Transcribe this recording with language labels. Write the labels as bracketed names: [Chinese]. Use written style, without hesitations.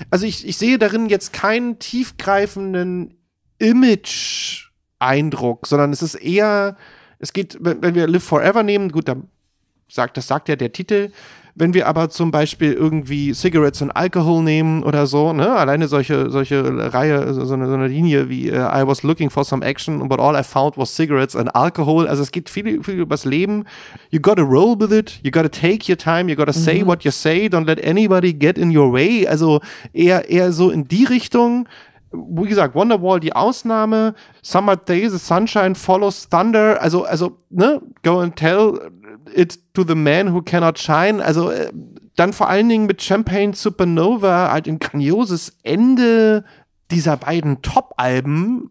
[German] Also ich sehe darin jetzt keinen tiefgreifenden Image-Eindruck, sondern es ist eher, es geht, wenn wir Live Forever nehmen, gut, das sagt ja der Titel, wenn wir aber zum Beispiel irgendwie Cigarettes and Alcohol nehmen oder so, ne, alleine solche Reihe, so eine Linie wie [English] I was looking for some action, but all I found was cigarettes and alcohol. [German] Also es geht viel übers Leben. [English] You gotta roll with it, you gotta take your time, you gotta say what you say, don't let anybody get in your way. [German] Also eher so in die Richtung. Wie gesagt, Wonderwall die Ausnahme, Summer Day, the Sunshine Follows Thunder, also, ne, [English] go and tell it to the man who cannot shine, [German] also dann vor allen Dingen mit Champagne Supernova, halt ein grandioses Ende dieser beiden Top-Alben,